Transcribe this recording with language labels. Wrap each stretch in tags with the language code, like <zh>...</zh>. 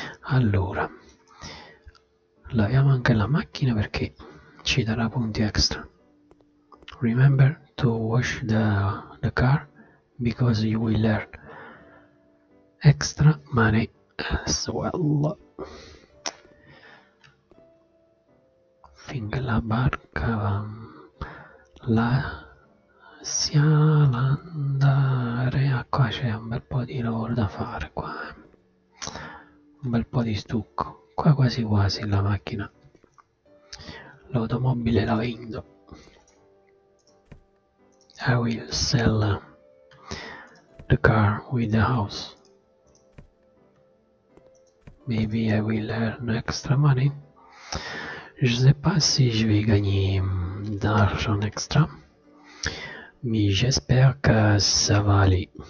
<it>Allora, laviamo anche la macchina perché ci darà punti extra.</it> <en>Remember to wash the car because you will earn extra money as well.</en> <it>Finché la barca va, la sia l'andare. Qua c'è un bel po' di lavoro da fare, qua un bel po' di stucco, qua quasi quasi la macchina, l'automobile la vendo.</it> <en>I will sell the car with the house, maybe I will earn extra money.</en> <fr>Je sais pas si je vais gagner d'argent extra, mais j'espère que ça va aller.</fr>